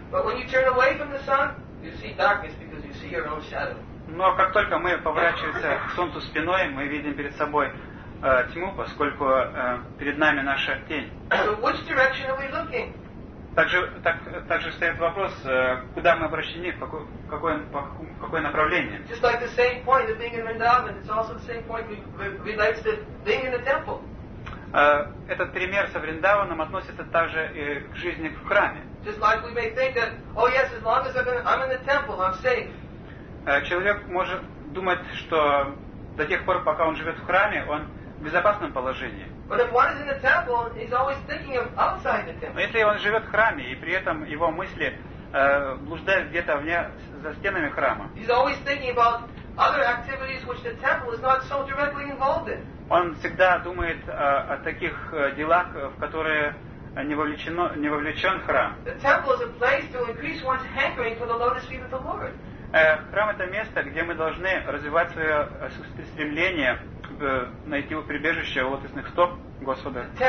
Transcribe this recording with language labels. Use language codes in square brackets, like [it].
[en] But when you turn away from the sun, you see darkness because you see your own shadow. [ru] Но как только мы поворачиваемся к солнцу спиной, мы видим перед собой тьму, поскольку перед нами наша тень. [en] So which direction are we looking? [ru] Также стоит вопрос, куда мы обращены, какое направление. [en] Just like the same point of being in Vrindavan, it's also the same point relates to being in the temple. [ru] Этот пример со Вриндаваном относится также и к жизни в храме. [en] Just like we may think that, oh yes, as long as I'm in the temple, I'm safe. [ru] Человек может думать, что до тех пор, пока он живет в храме, он в безопасном положении. [en] But if one is in the temple, he's always thinking of outside the temple. [ru] Но если он живет в храме, и при этом его мысли блуждают где-то вне, за стенами храма. [en] He's always thinking about other activities which the temple is not so directly involved in. [ru] Он всегда думает о таких делах, в которые не вовлечен храм. [en] The temple is a place to increase one's hankering for the lotus feet of the Lord. [ru] Храм — это место, где мы должны развивать свое стремление найти прибежище у лотосных стоп Господа.